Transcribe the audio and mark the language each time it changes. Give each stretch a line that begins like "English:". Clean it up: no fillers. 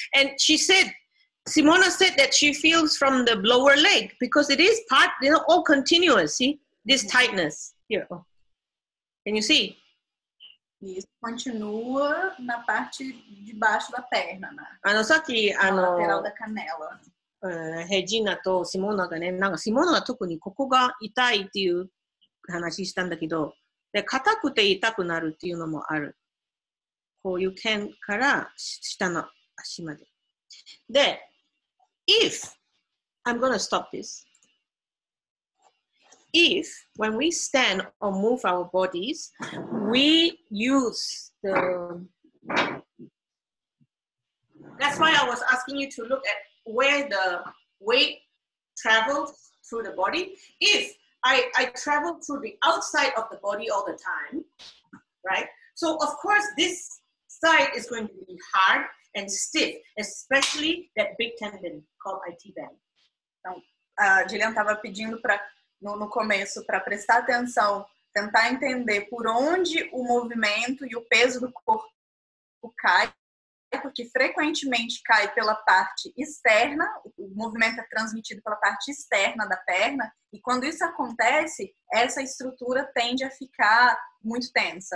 English: And she said, Simona said that she feels from the lower leg, because it is part, you know, all continuous, see? This tightness here. Can you see?
Portuguese: Isso continua na parte de baixo da perna, né? Ah, não, só que, na lateral da canela.
Japanese: Regina とシモーナがね、なんかシモーナは特にここが痛いっていう話したんだけど、で、硬くて痛くなるっていうのもある。こういう腱から下の足まで。
English: で、if, I'm gonna stop this. If, when we stand or move our bodies, we use the... That's why I was asking you to look at where the weight travels through the body. If I travel through the outside of the body all the time, right? So of course this side is going to be hard and stiff, especially that big tendon called IT band.
Portuguese: Então, a Jillian estava pedindo para no começo para prestar atenção, tentar entender por onde o movimento e o peso do corpo cai. É porque frequentemente cai pela parte externa, o movimento é transmitido pela parte externa da perna, e quando isso acontece, essa estrutura tende a ficar muito tensa.